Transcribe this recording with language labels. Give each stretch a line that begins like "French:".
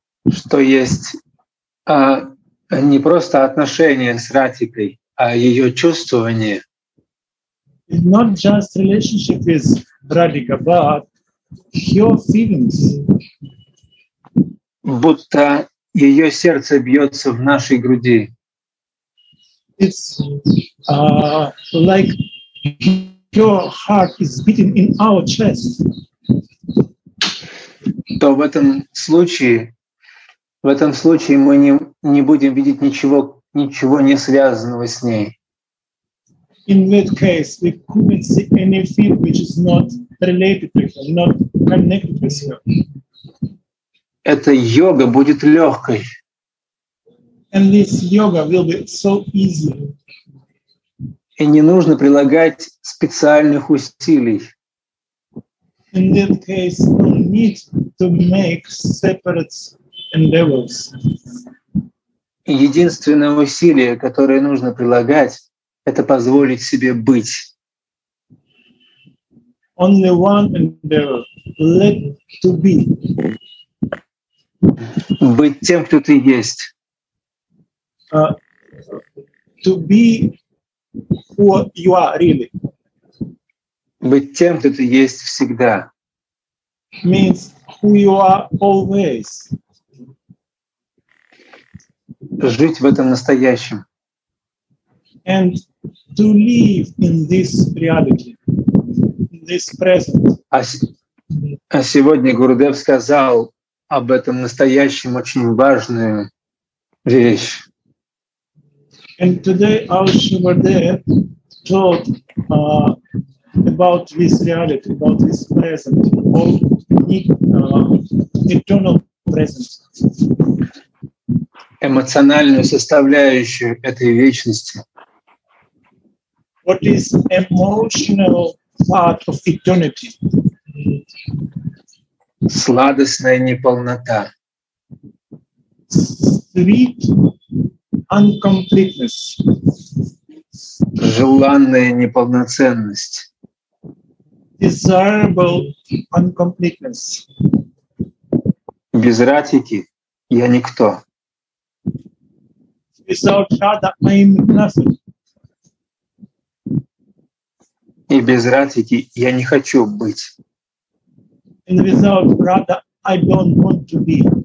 Russian: что есть не просто отношение с Радхикой, а ее чувствование.
English: It's not just relationship with Radhika, but her feelings.
Russian: Будто ее сердце бьется в нашей груди.
English: It's like her heart is beating in our chest.
Russian: То в этом случае мы не будем видеть ничего не связанного с ней.
English: In that case, we couldn't see anything which is not related to her, not connected with her.
Russian: Эта йога будет легкой.
English: And this yoga will be so easy.
Russian: И не нужно прилагать специальных усилий.
English: In that case, we need to make separate endeavors.
Russian: Единственное усилие, которое нужно прилагать, это позволить себе быть.
English: Only one endeavor, let to be.
Russian: Быть тем, кто ты есть.
English: To be who you are, really.
Russian: Быть тем, кто ты есть всегда.
English: Means who you are always.
Russian: Жить в этом настоящем.
English: And to live in this reality, in this present.
Russian: А сегодня Гурудев сказал об этом настоящем очень важную вещь.
English: And today our Shivadev talked about this reality, about this present, about eternal present.
Russian: Эмоциональную составляющую этой вечности.
English: What is emotional part of eternity?
Russian: Сладостная неполнота.
English: Sweet uncompleteness.
Russian: Желанная неполноценность.
English: Desirable uncompleteness.
Russian: Без Радхики я никто.
English: Without Radha, I am nothing.
Russian: И без Радхики я не хочу быть.
English: And without Radha, I don't want to be.